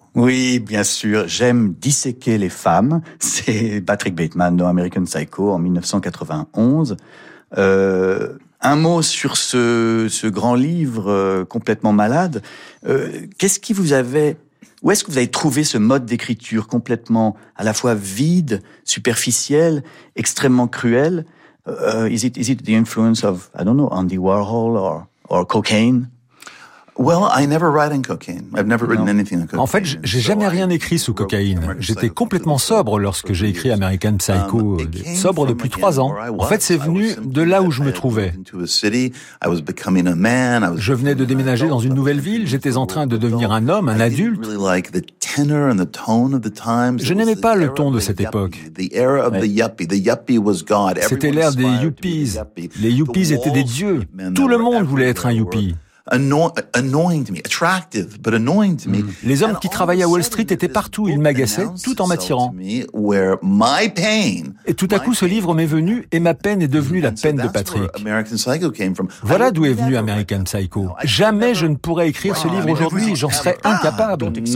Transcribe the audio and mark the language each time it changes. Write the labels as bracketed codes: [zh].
[fr] Oui, bien sûr, j'aime disséquer les femmes. C'est Patrick Bateman dans American Psycho en 1991. Un mot sur ce grand livre complètement malade. Qu'est-ce qui vous avait, où est-ce que vous avez trouvé ce mode d'écriture complètement à la fois vide, superficiel, extrêmement cruel? [en] Is it the influence of, I don't know, Andy Warhol or cocaine? Well, I never write in cocaine. I've never written anything in cocaine. [fr] En fait, j'ai jamais rien écrit sous cocaïne. J'étais complètement sobre lorsque j'ai écrit American Psycho, sobre depuis 3 ans. En fait, c'est venu de là où je me trouvais. Je venais de déménager dans une nouvelle ville, j'étais en train de devenir un homme, un adulte. Je n'aimais pas le ton de cette époque. C'était l'ère des yuppies. Les yuppies étaient des dieux. Tout le monde voulait être un yuppie. [en] Annoying to me, attractive, but annoying to me. [fr] Les hommes qui travaillaient à Wall Street étaient partout, ils m'agaçaient, tout en m'attirant. Et tout à coup, ce livre m'est venu et ma peine est devenue la peine de Patrick. Voilà d'où est venu American Psycho. Jamais je ne pourrais écrire ce livre aujourd'hui, j'en serais incapable.